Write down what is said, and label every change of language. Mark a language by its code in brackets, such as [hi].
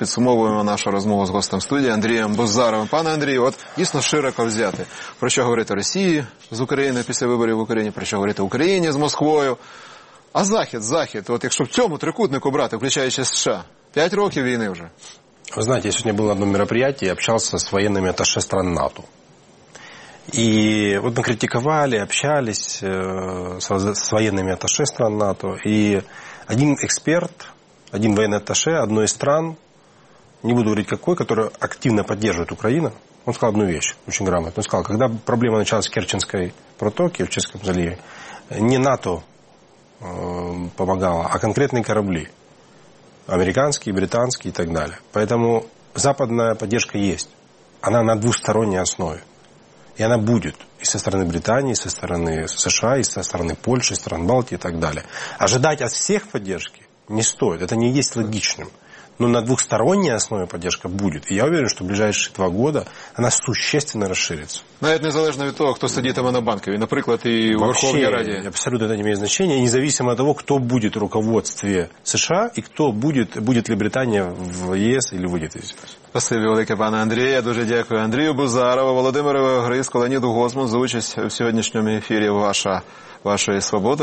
[uk] Підсумовуємо нашу розмову з гостем студії Андрієм Бузаровим. Пане Андрію, от дійсно широко взяти, про що говорити Росії з України після виборів в Україні, про що говорити Україні з Москвою. А Захід, от якщо в цьому трикутнику брати, включаючи США, 5 років війни вже. [ru] Вы знаете, я сегодня был на одном мероприятии и общался с военными атташе стран НАТО. И вот мы критиковали, общались с военными атташе стран НАТО. И один эксперт, один военный атташе одной из стран, не буду говорить какой, который активно поддерживает Украину, он сказал одну вещь, очень грамотно. Он сказал, когда проблема началась в Керченской протоке, в Черском заливе, не НАТО помогало, а конкретные корабли. Американские, британские и так далее. Поэтому западная поддержка есть. Она на двусторонней основе. И она будет и со стороны Британии, и со стороны США, и со стороны Польши, и стран Балтии и так далее. Ожидать от всех поддержки не стоит. Это не есть логичным. Но на двухсторонней основе поддержка будет. И я уверен, что в ближайшие 2 года она существенно расширится. [uk] Навіть незалежно від того, хто сидить там на банкові, наприклад, і у Верховній Раді. Абсолютно це не має значення. І независимо від того, хто буде в руководстві США і хто буде, буде ли Британія в ЄС чи вийде з ЄС. Спасибі велике, пане Андрію. Я дуже дякую Андрію Бузарову, Володимиру Гриску, Леоніду Гозману за участь в сьогоднішньому ефірі «Ваша, вашої свободи».